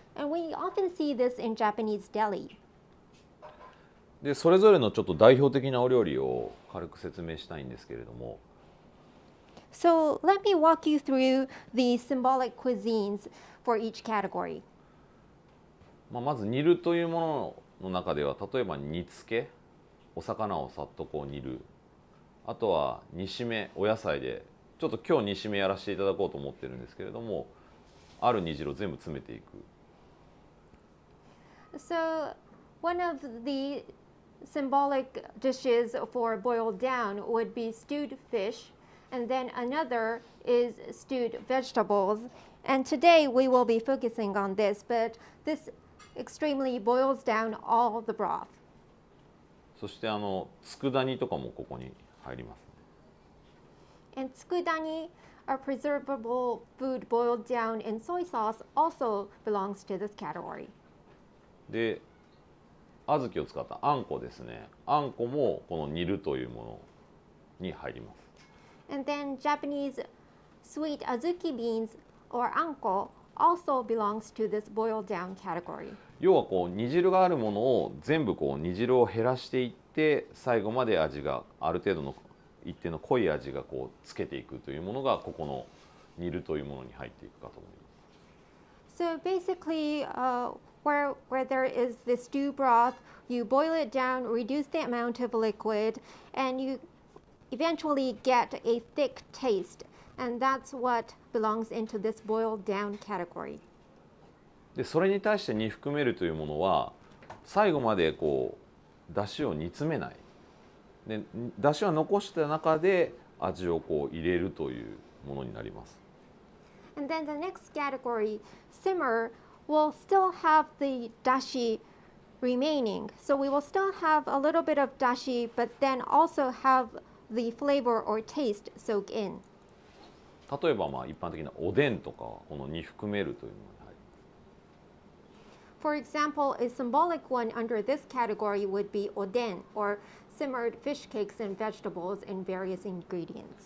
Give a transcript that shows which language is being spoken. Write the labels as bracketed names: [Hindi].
[English] And we often see this in Japanese deli. [Japanese] で、それぞれのちょっと代表的なお料理を軽く説明したいんですけれども、 [English] So let me walk you through the symbolic cuisines for each category. [Japanese] まあまず煮るというものの中では、例えば煮付け、お魚をさっとこう煮る。あとは煮しめ、お野菜で、ちょっと今日煮しめやらせていただこうと思ってるんですけれども、ある煮汁を全部詰めていく。 [English] So one of the symbolic dishes for boiled down would be stewed fish. And then another is stewed vegetables. And today we will be focusing on this, but this extremely boils down all the broth. [Japanese] そして佃煮とかもここに入ります。 [English] And 佃煮, a preservable food boiled down in soy sauce, also belongs to this category. [Japanese] で、小豆を使ったあんこですね。あんこもこの煮るというものに入ります。 [English] And then Japanese sweet azuki beans or anko also belongs to this boiled down category. [Japanese] 要はこう煮汁があるものを全部こう煮汁を減らしていって最後まで味がある程度の一定の濃い味がこうつけていくというものがここの煮るというものに入っていくかと思います。 [English] So basically, where there is the stew broth, you boil it down, reduce the amount of liquid, and youeventually get a thick taste, and that's what belongs into this boiled down category. [Japanese] で、それに対して煮含めるというものは、最後までこう出汁を煮詰めない。で、出汁は残した中で味をこう入れるというものになります。 [English] And then the next category, simmer, will still have the dashi remaining. So we will still have a little bit of dashi, but then also have the flavor or taste soak in. [Japanese] 例えばまあ一般的なおでんとかこの煮含めるというのは、はい、 [English] For example, a symbolic one under this category would be おでん or simmered fish cakes and vegetables in various ingredients.